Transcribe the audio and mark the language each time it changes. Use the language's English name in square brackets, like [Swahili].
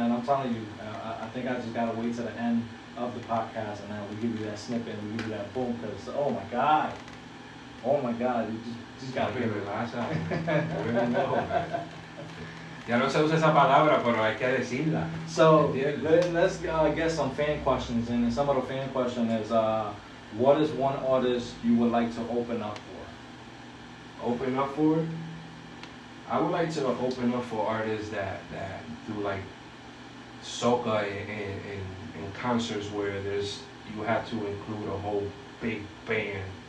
[English] And I'm telling you, I think I just gotta wait to the end of the podcast, and then we give you that snippet, and we give you that boom. Cause oh my god, you just gotta hear it. [Spanish] Ya no se usa esa palabra, pero hay que decirla. [English] So let's get some fan questions, and some of the fan question is. What is one artist you would like to open up for? Open up for? I would like to open up for artists that do like soca and concerts where there's you have to include a whole big band.